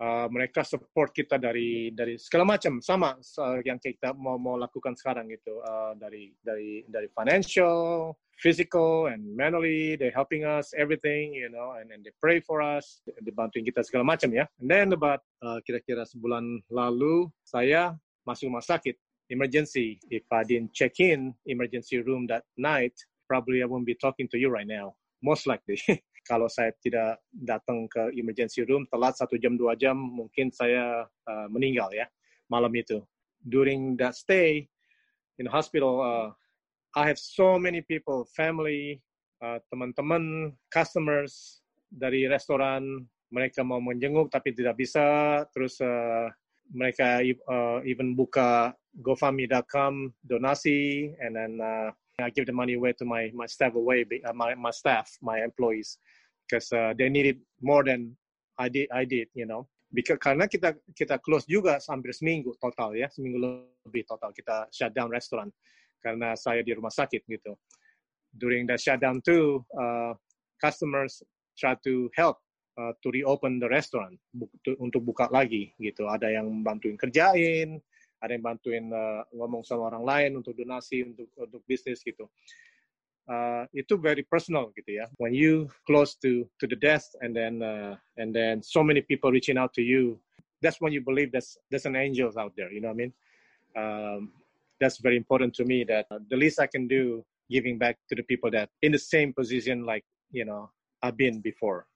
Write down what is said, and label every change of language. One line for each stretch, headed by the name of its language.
Indonesian: Mereka
English: support
Indonesian: kita dari segala macam, sama yang kita mau lakukan sekarang gitu, dari
English: financial, physical and mentally, they helping us everything, you know, and they pray for us,
Indonesian: dibantuin kita segala macam ya.
English: And then about
Indonesian: kira-kira sebulan lalu saya masuk rumah sakit emergency.
English: If I didn't check in emergency room that night, probably I won't be talking to you right now, most likely.
Indonesian: Kalau saya tidak datang ke emergency room telat 1 jam 2 jam, mungkin saya meninggal ya malam itu.
English: During that stay in hospital, I have so many people, family,
Indonesian: teman-teman,
English: customers
Indonesian: dari restoran, mereka mau menjenguk tapi tidak bisa. Terus mereka even buka GoFundMe.com donasi,
English: and then I give the money away to my staff away, my staff, my employees, because they need it more than I did, you know. Because
Indonesian: karena kita close juga hampir seminggu total ya, seminggu lebih total kita
English: shut down
Indonesian: restoran karena saya di rumah sakit gitu.
English: During the shutdown too, customers try to help to reopen the restaurant,
Indonesian: untuk buka lagi gitu. Ada yang bantuin kerjain, ada yang bantuin ngomong sama orang lain untuk donasi untuk bisnis gitu. Itu
English: very personal
Indonesian: gitu ya.
English: When you close to the death, and then so many people reaching out to you, that's when you believe there's an angel out there, you know what I mean? That's very important to me, that the least I can do, giving back to the people that in the same position like, you know, I've been before.